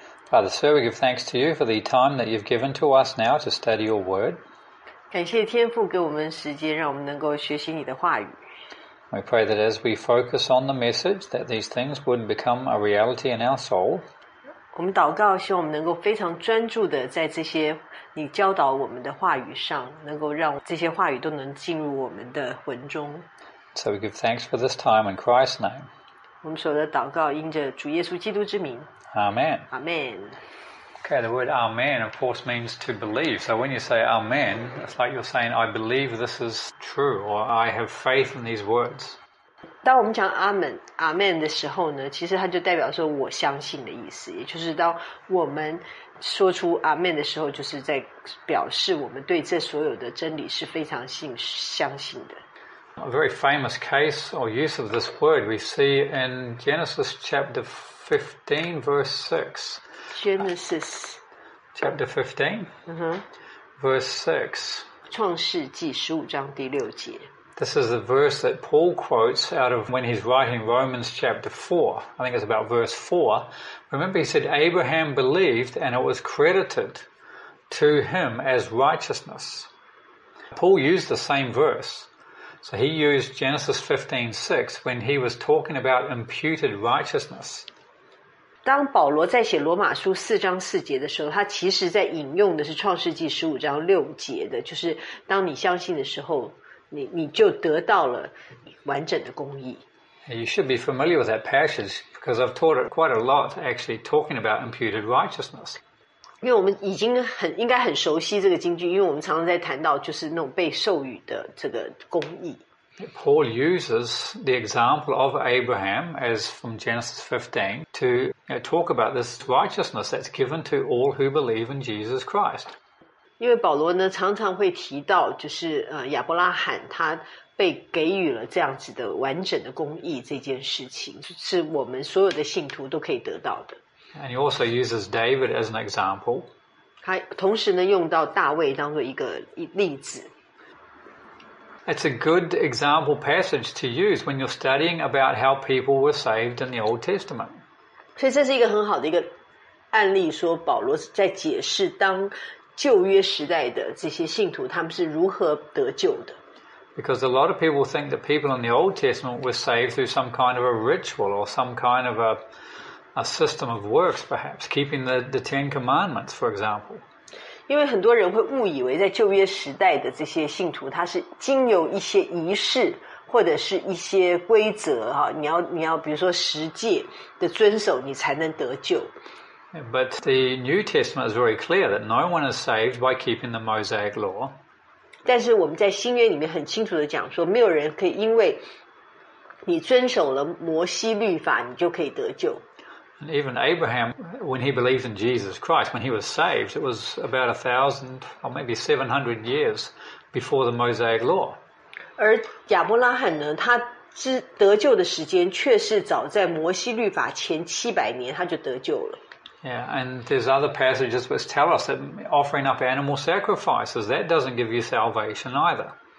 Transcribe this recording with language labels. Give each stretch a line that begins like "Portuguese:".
English: Father, sir, we give thanks to you for the time that you've given to us now to study your word.
Chinese: 感谢天父给我们时间，让我们能够学习你的话语。
English: We pray that as we focus on the message, that these things would become a reality in our soul.
Chinese: 我们祷告，希望我们能够非常专注的在这些你教导我们的话语上，能够让这些话语都能进入我们的魂中。
English: So we give thanks for this time in Christ's name.
Chinese: 我们所有的祷告，因着主耶稣基督之名。
English: Amen. Amen. Okay, the word Amen, of course, means to believe. So when you say Amen, it's like you're saying, I believe this is true, or I have faith in these words.
Chinese: 当我们讲 Amen 的时候呢，其实它就代表说我相信的意思，也就是当我们说出 Amen 的时候，就是在表示我们对这所有的真理是非常相信的。
English: A very famous case or use of this word we see in Genesis chapter 15, verse 6. Genesis. Chapter 15,、verse 6.
Chinese: 创世纪十五章第六节。
English: This is the verse that Paul quotes out of when he's writing Romans chapter 4. I think it's about verse 4. Remember he said, Abraham believed and it was credited to him as righteousness. Paul used the same verse. So he used Genesis 15:6 when he was talking about imputed righteousness.
Chinese: 当保罗在写罗马书四章四节的时候，他其实在引用的是创世纪十五章六节的，就是当你相信的时候，你就得到了完整的公义。
English: You should be familiar with that passage because I've taught it quite a lot, actually talking about imputed righteousness.
Chinese: 因为我们已经应该很熟悉这个经句，因为我们常常在谈到就是那种被授予的这个公义。
English: Paul uses the example of Abraham as from Genesis 15 to talk about this righteousness that's given to all who believe in Jesus Christ.
Chinese: 因为保罗呢常常会提到就是亚伯拉罕他被给予了这样子的完整的公义这件事情，是我们所有的信徒都可以得到的。
English: And he also uses David as an example.
Chinese: 他同时呢用到大卫当作一例子。
English: It's a good example passage to use when you're studying about how people were saved in the Old Testament.
Chinese: 所以这是一个很好的一个案例，说保罗在解释当旧约时代的这些信徒他们是如何得救的。
English: Because a lot of people think that people in the Old Testament were saved through some kind of a ritual or some kind of a system of works, perhaps keeping the Ten Commandments, for example.
Chinese: 因为很多人会误以为在旧约时代的这些信徒，他是经由一些仪式或者是一些规则哈，你要比如说十诫的遵守，你才能得救。
English: But the New Testament is very clear that no one is saved by keeping the Mosaic Law.
Chinese: 但是我们在新约里面很清楚的讲说，没有人可以因为你遵守了摩西律法，你就可以得救。
English: Even Abraham, when he believed in Jesus Christ, when he was saved, it was about 1,000 or maybe 700 years before the Mosaic Law.
Chinese: 而亚伯拉罕呢，他得救的时间却是早在摩西律法前700年，他就得救了。
English: Yeah, and there's other passages which tell us that offering up animal sacrifices, that doesn't give you salvation either.